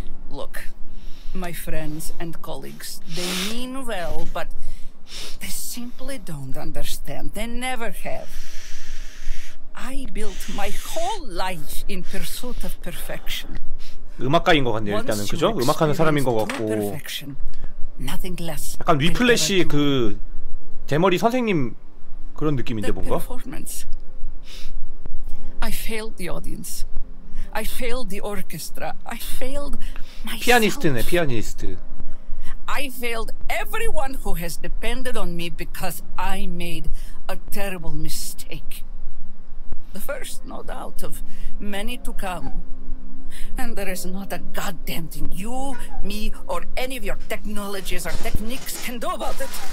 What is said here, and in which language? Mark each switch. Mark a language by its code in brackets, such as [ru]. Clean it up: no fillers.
[en] Look, my friends and colleagues, they mean well, but they simply don't understand. They never have. I built my whole life in pursuit of perfection. [ko] 음악가인 것 같네요, 일단은. 그죠? 음악하는 사람인 것 같고. [en] Perfection. Nothing less. [ko] 약간 위플래시 그 대머리 선생님 그런 느낌인데 뭔가? [en] I failed the audience. I failed the orchestra. I failed myself. [ko] 피아니스트네, 피아니스트. [en] I failed everyone who has depended on me because I made a terrible mistake. The first, no doubt, of many to come. And there is not a goddamn thing you, me, or any of your technologies or techniques can do about it.